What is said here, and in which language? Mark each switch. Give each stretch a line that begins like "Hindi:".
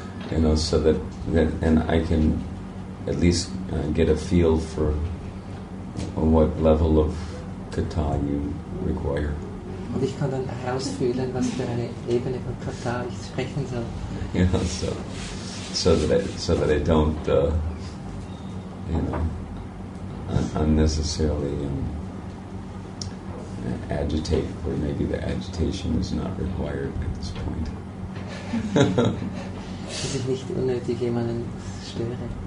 English: You know, so that and I can at least get a feel for what level of kata you require.
German: Und ich kann dann herausfühlen, was für eine Ebene von kata ich sprechen soll.
English: You know, so that I don't, you know, unnecessarily agitate, or maybe the agitation is not required at this point.
German: Dass ich nicht unnötig jemanden störe.